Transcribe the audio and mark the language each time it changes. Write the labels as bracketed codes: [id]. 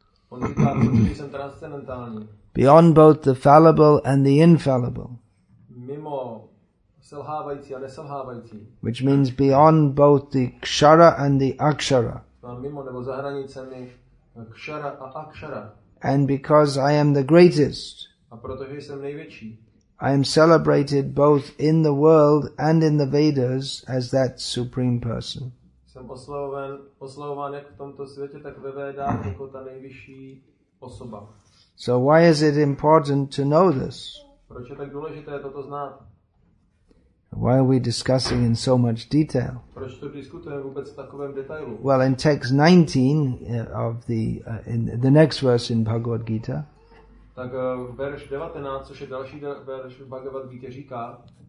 [cs] On říká, protože jsem transcendentální. [en] Beyond both the fallible and the infallible. [cs] Mimo selhávající a neselhávající. [en] Which means beyond both the kshara and the akshara. [cs] Mimo nebo za hranicemi kshara a akshara. [en] And because I am the greatest. [cs] A protože jsem největší. [en] I am celebrated both in the world and in the Vedas as that supreme person. [cs] Jsem oslavován jak v tomto světě, tak ve Vedách jako ta nejvyšší osoba. [en] So why is it important to know this? [cs] Proč je tak důležité toto znát? [en] Why are we discussing in so much detail? [cs] Proč to diskutujeme vůbec v takovém detailu? [en] Well, in text 19 of the in the next verse in Bhagavad Gita. [cs] Tak verš 19, což je další verš v Bhagavad Gita, říká.